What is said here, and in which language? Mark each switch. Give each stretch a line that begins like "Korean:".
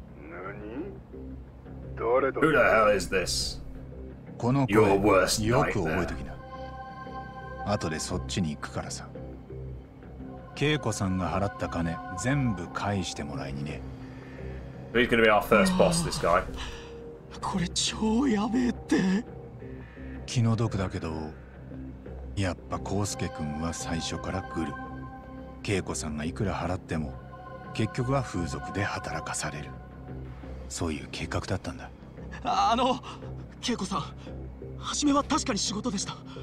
Japanese: 何？誰だ？
English: Who the hell is this？
Japanese: この声、よく覚えておきな。後でそっちに行くからさ。恵子さんが払った金、全部返してもらいにね。
English: He's gonna be our first boss, this guy.
Japanese: これ超やべえって。気の毒だけど、やっぱコウスケ君は最初からグル。恵子さんがいくら払っても結局は風俗で働かされる、そういう計画だったんだ。あの恵子さん、初めは確かに仕事でした。